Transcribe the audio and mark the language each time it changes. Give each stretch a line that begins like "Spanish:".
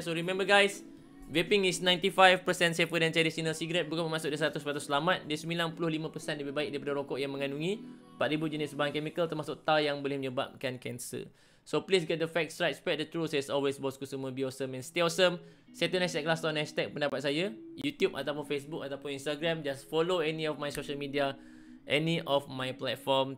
English: So remember guys, vaping is 95% safer than traditional cigarette.
Malay: Bukan bermaksud dia 100% selamat. Dia 95% lebih baik daripada rokok yang mengandungi 4,000 jenis bahan kimia termasuk tar yang boleh menyebabkan kanser.
English: So please get the facts right, spread the truth. As always,
Malay: bosku semua,
English: be awesome and stay awesome. Set your hashtag last on hashtag pendapat saya YouTube ataupun Facebook ataupun Instagram. Just follow any of my social media, any of my platform.